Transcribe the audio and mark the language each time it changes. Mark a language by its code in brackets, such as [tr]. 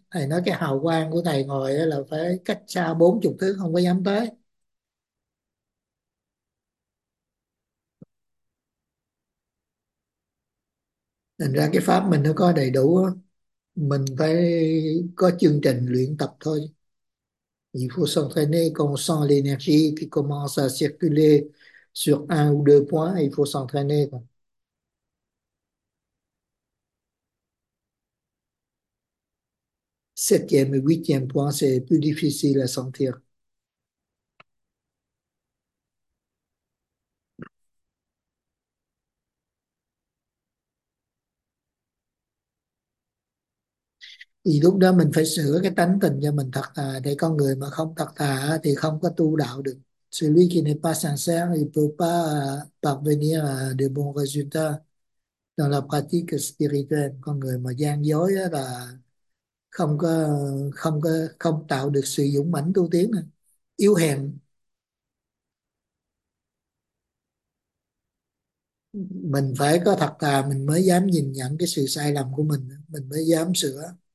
[vi] Thầy nói cái hào quang của thầy ngồi là phải cách xa 40 thước không có dám tới. Thành ra cái pháp mình nó có đầy đủ đó. Mình phải có chương trình luyện tập thôi. [fr] Il faut s'entraîner quand on sent l'énergie qui commence à circuler sur un ou deux points, il faut s'entraîner. Septième et huitième point, c'est plus difficile à sentir. [vi] Thì lúc đó mình phải sửa cái tánh tình cho mình thật thà, để con người mà không thật thà thì không có tu đạo được. [fr] Celui qui n'est pas sincère, il peut pas parvenir à de bons résultats dans la pratique spirituelle. [vi] Con người mà gian dối là không tạo được sự dũng mãnh tu tiến, yếu hèn. Mình phải có thật thà mình mới dám nhìn nhận cái sự sai lầm của mình mới dám sửa.